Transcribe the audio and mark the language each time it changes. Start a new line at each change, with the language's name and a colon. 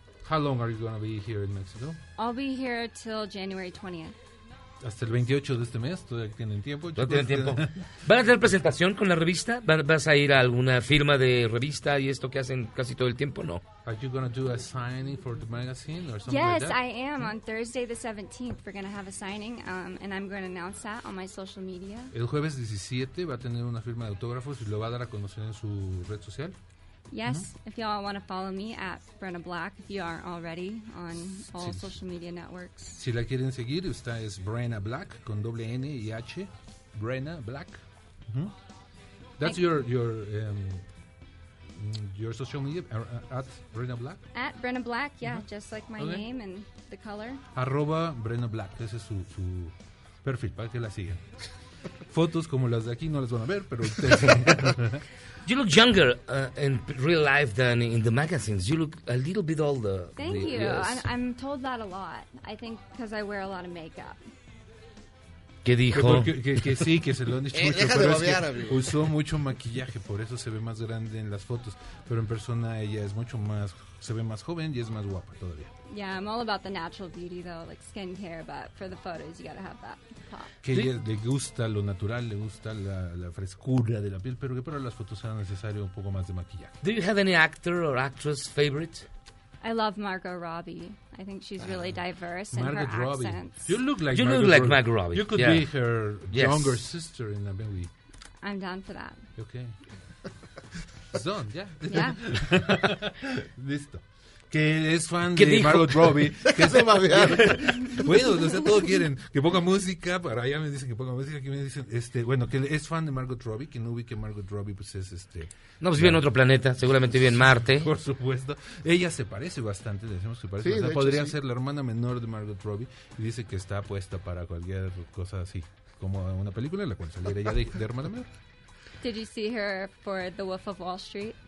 English: How long are you going to be here in Mexico? I'll be here till January 20th.
Spanish: Hasta el 28 de este mes, todavía tienen tiempo. No tienen tiempo. ¿Van a tener presentación con la revista? ¿Vas a ir a alguna firma de revista y esto que hacen casi todo el tiempo? No.
English: Are you going to do a signing for the magazine or something? Yes, like that? I am. On Thursday the 17th, we're going to have a signing, and I'm going to announce that on my social media.
Spanish: El jueves 17 va a tener una firma de autógrafos y lo va a dar a conocer en su red social.
English: Yes, mm-hmm. If y'all want to follow me at Brenna Black, if you are already on all social media networks.
Spanish: Si la quieren seguir, esta es Brenna Black con doble N y H, Brenna Black.
English: Mm-hmm. That's your social media at Brenna Black. At Brenna Black, yeah, mm-hmm. Just like my name and the color.
Spanish: @ Brenna Black, ese es su perfil para que la sigan. Fotos como las de aquí no las van a ver, pero ustedes.
English: You look younger in real life than in the magazines. You look a little bit older. Thank you. Yes. I'm told that a lot. I think because I wear a lot of makeup.
Spanish: ¿Qué dijo? Que se lo han dicho mucho. Pero babear, usó mucho maquillaje, por eso se ve más grande en las fotos. Pero en persona ella es mucho más, se ve más joven y es más guapa todavía.
English: Yeah, I'm all about the natural beauty though, like skincare, but for the photos you gotta have that pop.
Spanish: Que le gusta lo natural, le gusta la frescura de la piel, pero que para las fotos era necesario un poco más de maquillaje.
English: Do you have any actor or actress favorite? I love Margot Robbie. I think she's really diverse Margot in her Robbie. Accents. You look like Margot Robbie. You could be her younger sister in a movie. I'm down for that. Okay. Done, yeah. Yeah.
Spanish: Listo. Que es fan de Margot Robbie. Que se va a ver. Bueno, o sea, todos quieren que ponga música. Para allá me dicen que ponga música. Aquí me dicen, bueno, que es fan de Margot Robbie. Que no ubique Margot Robbie, pues es No, pues vive en otro planeta. Seguramente vive en Marte. Por supuesto. Ella se parece bastante. Decimos que parece. Sí, bastante. Podría hecho, ser la hermana menor de Margot Robbie. Y dice que está puesta para cualquier cosa así. Como una película en la cual saliera ella de hermana menor.
English: Did you see her for The Wolf of Wall Street?